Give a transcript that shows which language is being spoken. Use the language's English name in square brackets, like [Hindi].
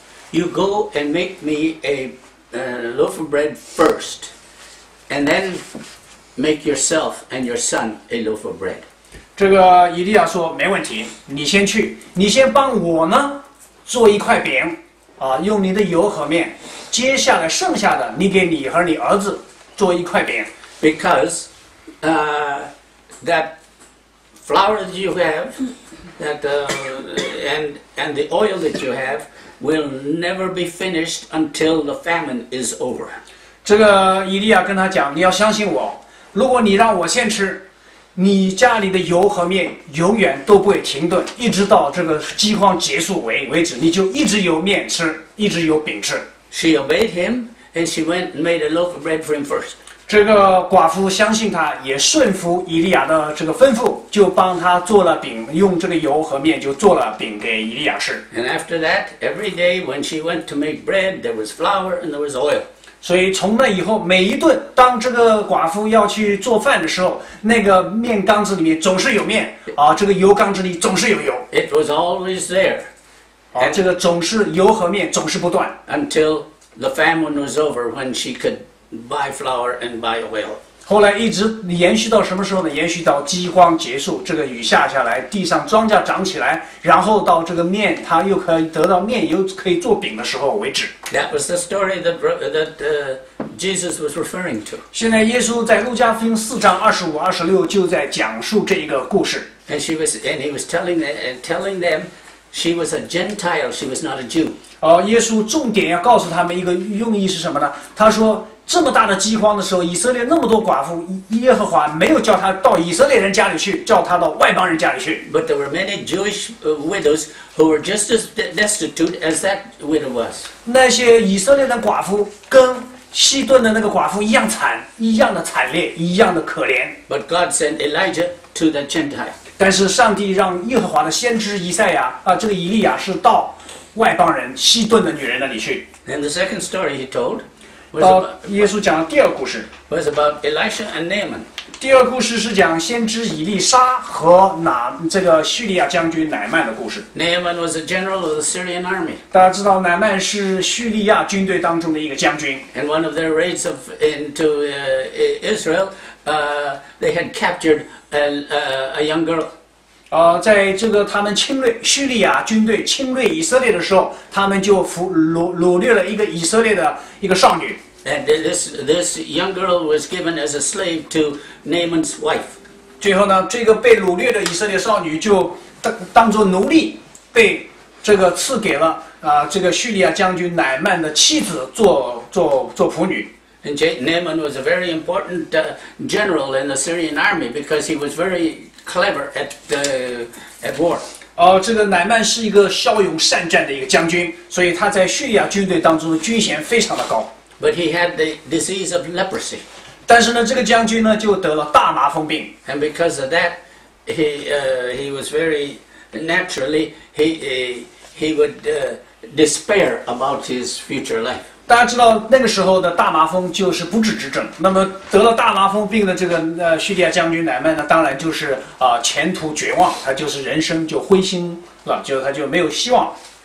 [English] You go and make me a loaf of bread first, and then make yourself and your son a loaf of bread." [Chinese] 这个以利亚说没问题，你先去，你先帮我呢做一块饼。用你的油和面，接下来剩下的你给你和你儿子做一块饼。 [English] Because, that flour that you have, and the oil that you have will never be finished until the famine is over. [Chinese] 这个以利亚跟他讲，你要相信我，如果你让我先吃，你家里的油和面永远都不会停顿，一直到这个饥荒结束为止，你就一直有面吃，一直有饼吃。 [English] She obeyed him, and she went and made a loaf of bread for him first. [Chinese] 这个寡妇相信他，也顺服以利亚的这个吩咐，就帮他做了饼，用这个油和面就做了饼给以利亚吃。 [English] And after that, every day when she went to make bread, there was flour and there was oil. [Chinese] 所以从那以后，每一顿当这个寡妇要去做饭的时候，那个面缸子里面总是有面啊，这个油缸子里总是有油。 [English] It was always there. [Chinese] 啊，这个总是油和面总是不断。 [English] Until the famine was over, when she could buy flour and buy oil. [Chinese] 后来一直延续到什么时候呢？延续到饥荒结束，这个雨下下来，地上庄稼长起来，然后到这个面，他又可以得到面，又可以做饼的时候为止。 [English] That was the story that Jesus was referring to. [Chinese] 现在耶稣在路加福音四章二十五、二十六就在讲述这一个故事。 [English] And he was telling them she was a Gentile, she was not a Jew. [Chinese] 耶稣重点要告诉他们一个用意是什么呢？他说这么大的饥荒的时候，以色列那么多寡妇，耶和华没有叫他到以色列人家里去，叫他到外邦人家里去。 [English] But there were many Jewish widows who were just as destitute as that widow was. [Chinese] 那些以色列的寡妇跟西顿的那个寡妇一样惨，一样的惨烈，一样的可怜。 [English] But God sent Elijah to the Gentile. [Chinese] 但是上帝让耶和华的先知以赛亚这个以利亚是到外邦人西顿的女人那里去。 [English] And the second story he told. [Chinese] 到耶稣讲的第二故事 [English] was about Elisha and Naaman. [Chinese] 第二故事是讲先知以利沙和这个叙利亚将军乃曼的故事。 [English] Naaman was a general of the Syrian army. [Chinese] 大家知道乃曼是叙利亚军队当中的一个将军。 [English] And one of their raids of into Israel, they had captured a young girl. [Chinese] 在这个他们侵略叙利亚军队侵略以色列的时候，他们就掳掠了一个以色列的。一个少女 [English] and this young girl was given as a slave to Naaman's wife. [Chinese] 最后呢，这个被掳掠的以色列少女就当作奴隶，被这个赐给了这个叙利亚将军乃曼的妻子做仆女。 [English] And Naaman was a very important general in the Syrian army because he was very clever at war. [Chinese] 这个乃曼是一个骁勇善战的一个将军，所以他在叙利亚军队当中的军衔非常的高。 [English] But he had the disease of leprosy. [Chinese] 但是呢，这个将军呢就得了大麻风病。 [English] And because of that, he was very naturally he would despair about his future life. [Chinese] 大家知道那个时候的大麻风就是不治之症。那么得了大麻风病的这个叙利亚将军乃曼呢，当然就是前途绝望，他就是人生就灰心了，就他就没有希望。